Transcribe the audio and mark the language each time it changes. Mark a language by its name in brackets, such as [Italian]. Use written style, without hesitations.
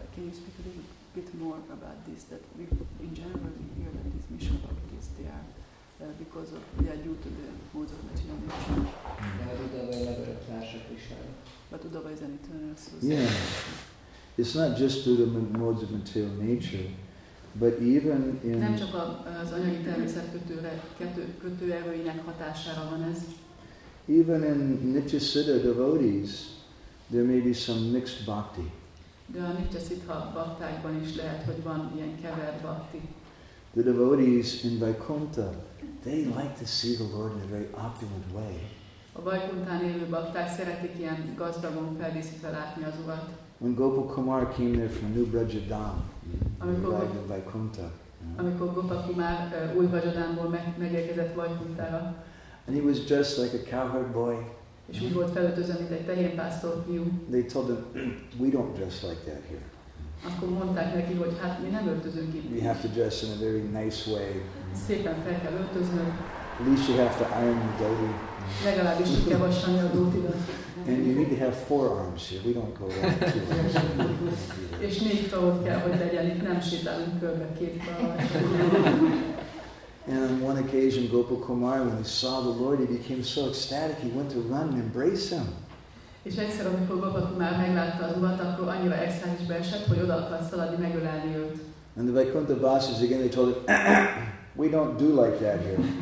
[English] Can you speak a little bit more about this, that we, in general we hear that these Mishabhaktis, they are because of, they are due to the modes of material nature. [Hungarian] De [English] Udava is an eternal source. But Udava is an eternal source. Yeah. It's not just due to the modes of material nature, but even in... [Hungarian] Nem csak az anyagi természet kötőerőinek hatására van ez. [English] Even in Nityasiddha devotees, there may be some mixed bhakti. [Hungarian] De a Nityasiddha baktákban is lehet, hogy van ilyen kevert bhakti. [English] The devotees in Vaikuntha, they like to see the Lord in a very opulent way. [Hungarian] A Vaikunthán élő bakták szeretik ilyen gazdagon feldíszítve látni az Urat. [English] When Gopal Kumar came there from New Brajadam, he arrived at Vaikuntha. [Hungarian] Amikor Gopal Kumar új Vajadámból megérkezett Vajkuntára. [English] And he was dressed like a cowherd boy. [Hungarian] És úgy volt felöltözve, mint egy tehénpásztor fiú. [English] They told him, we don't dress like that here. [Hungarian] Akkor mondták neki, hogy hát mi nem öltözünk így. [English] We have to dress in a very nice way. [Hungarian] Szépen fel kell öltözni. [English] At least you have to iron your dhoti. [Hungarian] Legalábbis ki kell vasalni a dhotidat. [English] And you need to have forearms here. We don't go around two arms. [Hungarian] És négy karod kell, hogy legyen itt. Nem sétálunk körbe két karod. [English] And on one occasion, Gopal Kumar, when he saw the Lord, he became so ecstatic, he went to run and embrace him. [Hungarian] És egyszer, amikor Gopal Kumar meglátta az Urat, akkor annyira extázisba esett, hogy oda akar szaladni, megölelni őt. [English] And the Vaikuntha Vasis again, they told him, we don't do like that here.